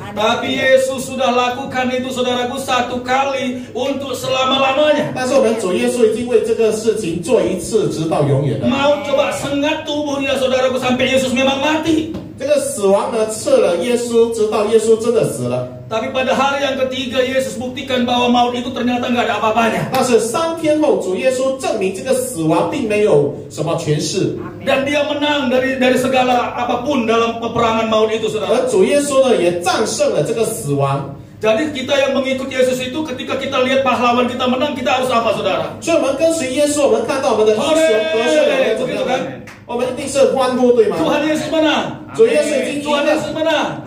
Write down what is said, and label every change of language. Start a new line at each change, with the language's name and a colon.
Indonesian: Tapi Yesus sudah lakukan itu, saudaraku, satu kali untuk selama-lamanya.
Chinese: 但是我们主耶稣已经为这个事情做一次直到永远.
Indonesian: Mau coba sengat tubuhnya, saudaraku, sampai Yesus memang mati.
Chinese: 这个死亡呢刺了耶稣，直到耶稣真的死了。
Indonesian: Tapi pada hari yang ketiga Yesus buktikan bahwa maut itu ternyata enggak ada apa-apanya.
Chinese: 但是三天后主耶稣证明这个死亡并没有什么权势.
Indonesian: Dan dia menang dari segala apapun dalam peperangan maut itu, saudara.
Chinese: 而主耶稣呢也战胜了这个死亡.
Indonesian: Jadi kita yang mengikut Yesus itu ketika kita lihat pahlawan kita menang, kita harus apa, saudara?
Chinese: 所以我们跟随耶稣，我们看到我们的英雄得胜了，对不对？我们一定是欢呼，对吗？主耶稣， 主耶稣已经赢了，